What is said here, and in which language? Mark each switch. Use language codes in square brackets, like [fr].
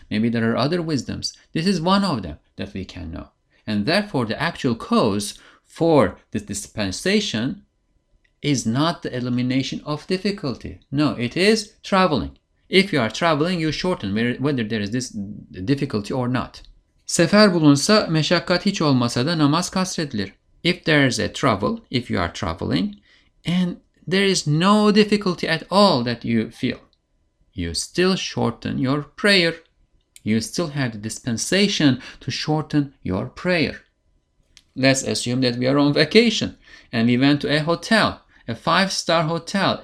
[en] Maybe there are other wisdoms. This is one of them that we can know. And therefore, the actual cause for this dispensation is not the elimination of difficulty. No, it is traveling. If you are traveling, you shorten whether there is this difficulty or not. [tr] Sefer bulunsa, meşakkat hiç olmasa da namaz kasredilir. [en] If there is a trouble, if you are traveling, and there is no difficulty at all that you feel, you still shorten your prayer. You still have the dispensation to shorten your prayer. Let's assume that we are on vacation and we went to a hotel, a 5-star hotel.